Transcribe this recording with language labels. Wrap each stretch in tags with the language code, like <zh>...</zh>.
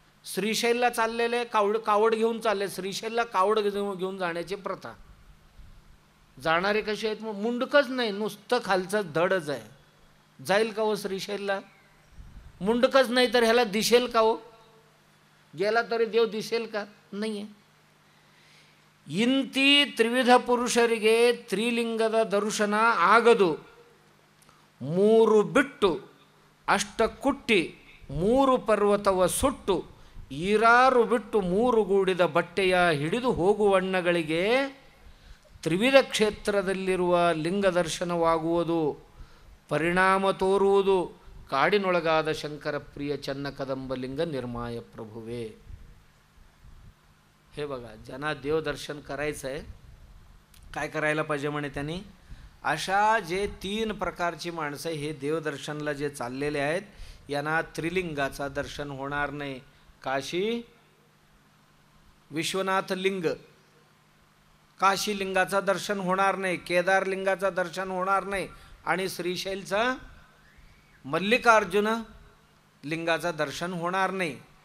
<mr>श्रीशैलला चाललेले कावड कावड घेऊन चालले. श्रीशैलला कावड घेऊन जाण्याची प्रथा. जाणारे कसे आहेत? मग मुंडकच नाही, नुसतं खालचं धडच आहे. जाईल का हो श्रीशैलला? मुंडकच नाही तर ह्याला दिसेल का? हो गेला तरी देव दिसेल का? नाही आहे.</mr> <kn>ಇಂತಿ ತ್ರಿವಿಧ ಪುರುಷರಿಗೆ ತ್ರಿಲಿಂಗದ ದರ್ಶನ ಆಗದು. ಮೂರು ಬಿಟ್ಟು ಅಷ್ಟ ಕುಟ್ಟಿ ಮೂರು ಪರ್ವತವ ಸುಟ್ಟು ಈರಾರು ಬಿಟ್ಟು ಮೂರು ಗೂಡಿದ ಬಟ್ಟೆಯ ಹಿಡಿದು ಹೋಗುವಣ್ಣಗಳಿಗೆ ತ್ರಿವಿಧ ಕ್ಷೇತ್ರದಲ್ಲಿರುವ ಲಿಂಗ ದರ್ಶನವಾಗುವುದು, ಪರಿಣಾಮ ತೋರುವುದು. ಕಾಡಿನೊಳಗಾದ ಶಂಕರ ಪ್ರಿಯ ಚನ್ನ ಕದಂಬಲಿಂಗ ನಿರ್ಮಾಯ ಪ್ರಭುವೇ.</kn> <mr>हे बघा, ज्यांना देवदर्शन करायचं आहे काय करायला पाहिजे म्हणे त्यांनी? अशा जे तीन प्रकारची माणसं हे देवदर्शनला जे चाललेले आहेत यांना त्रिलिंगाचा दर्शन होणार नाही. काशी विश्वनाथ लिंग, काशी लिंगाचा दर्शन होणार नाही, केदार लिंगाचा दर्शन होणार नाही आणि श्रीशैलचा मल्लिकार्जुन लिंगाचा दर्शन होणार नाही.</mr>